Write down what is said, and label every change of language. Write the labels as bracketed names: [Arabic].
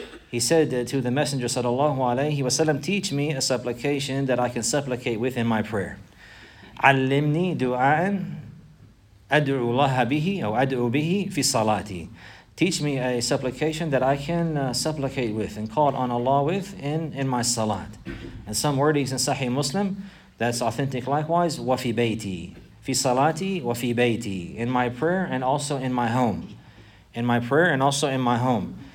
[English] He said to the Messenger, sallallahu alayhi wa sallam, teach me a supplication that I can supplicate with in my prayer. [Arabic] Allimni du'a'an أدعو الله به أو أدعو به في صلاتي. [English] Teach me a supplication that I can supplicate with and call on Allah with in my salat. And some wordings in Sahih Muslim, that's authentic likewise, [Arabic] وفي بيتي. في صلاتي وفي بيتي. [English] In my prayer and also in my home. In my prayer and also in my home.